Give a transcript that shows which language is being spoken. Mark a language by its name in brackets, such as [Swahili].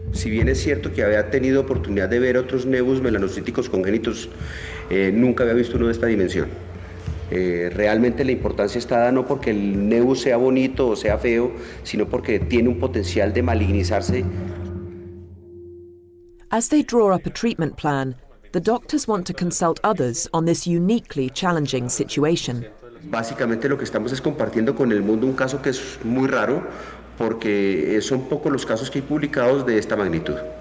[Spanish] Si bien es cierto que había tenido oportunidad de ver otros nevus melanocíticos congénitos, nunca había visto uno de esta dimensión. Realmente la importancia está dada no porque el nebus sea bonito o sea feo, sino porque tiene un potencial de malignizarse. [English] As they draw up a treatment plan, the doctors want to consult others on this uniquely challenging situation. [Spanish] Básicamente lo que estamos es compartiendo con el mundo un caso que es muy raro, porque son pocos los casos que hay publicados de esta magnitud.